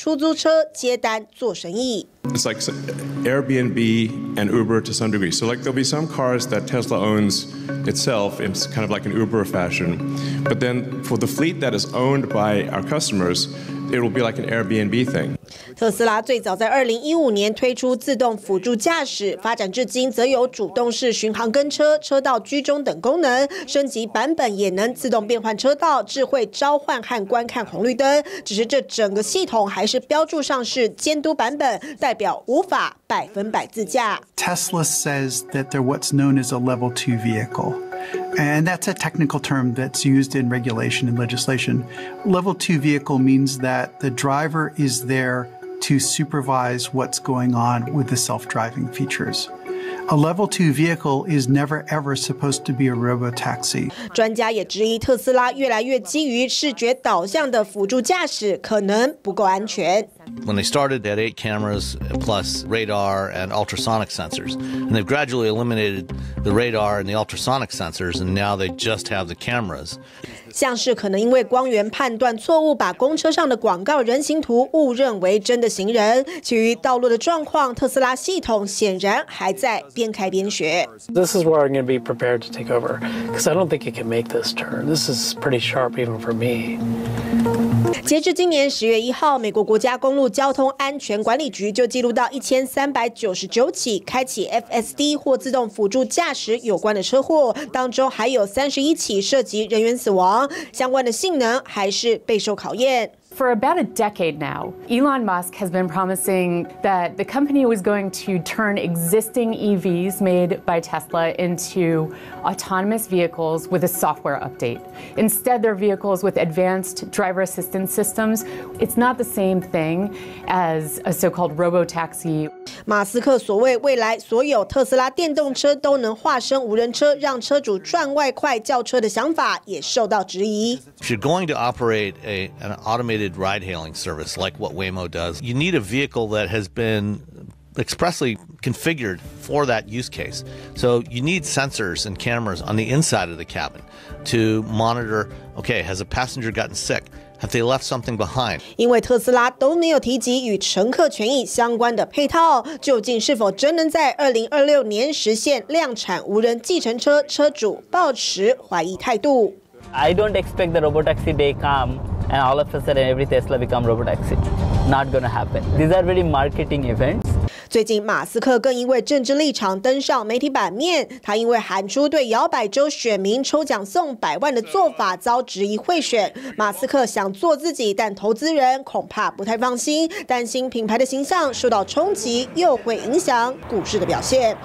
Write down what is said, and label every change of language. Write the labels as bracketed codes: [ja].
[zh] 不过，马斯克还是进一步提出了无人计程车构想，甚至认为未来的车主不开车的时候都能把自驾车转为出租车接单做生意。 [en] It's like Airbnb and Uber to some degree. So, like, there'll be some cars that Tesla owns itself. It's kind of like an Uber fashion. But then, for the fleet that is owned by our customers, it will be like an Airbnb thing. [zh] 特斯拉最早在2015年推出自动辅助驾驶，发展至今则有主动式巡航跟车、车道居中等功能。升级版本也能自动变换车道、智慧召唤和观看红绿灯。只是这整个系统还是标注上是监督版本，代表无法100%自驾。 [en] Tesla says that they're what's known as a level 2 vehicle. And that's a technical term that's used in regulation and legislation. Level 2 vehicle means that the driver is there to supervise what's going on with the self-driving features. A level 2 vehicle is never ever supposed to be a robo-taxi. [zh] 专家也质疑特斯拉越来越基于视觉导向的辅助驾驶可能不够安全。 [en] When they started, they had 8 cameras plus radar and ultrasonic sensors. And they've gradually eliminated the radar and the ultrasonic sensors, and now they just have the cameras. [zh] 像是可能因为光源判断错误，把公车上的广告人行图误认为真的行人。其余道路的状况，特斯拉系统显然还在边开边学。 [en] This is where I'm going to be prepared to take over, because I don't think it can make this turn. This is pretty sharp even for me. [zh] 截至今年10月1号，美国国家公路交通安全管理局就记录到1399起开启 FSD 或自动辅助驾驶有关的车祸，当中还有31起涉及人员死亡，相关的性能还是备受考验。 [en] For about a decade now, Elon Musk has been promising that the company was going to turn existing EVs made by Tesla into autonomous vehicles with a software update. Instead, they're vehicles with advanced driver assistance systems. It's not the same thing as a so-called robo-taxi. [zh] 马斯克所谓未来所有特斯拉电动车都能化身无人车，让车主赚外快叫车的想法也受到质疑。 [en] If you're going to operate an automated ride-hailing service like what Waymo does, you need a vehicle that has been expressly configured for that use case. So you need sensors and cameras on the inside of the cabin to monitor, okay, has a passenger gotten sick? Have they left something behind? [zh] 因为特斯拉都没有提及与乘客权益相关的配套，究竟是否真能在2026年实现量产无人计程车，车主抱持怀疑态度。 [en] I don't expect the robotaxi day come and all of a sudden every Tesla become robotaxi. Not going to happen. These are very marketing events. [zh] 最近马斯克更因为政治立场登上媒体版面，他因为喊出对摇摆州选民抽奖送百万的做法遭质疑贿选。马斯克想做自己，但投资人恐怕不太放心，担心品牌的形象受到冲击，又会影响股市的表现。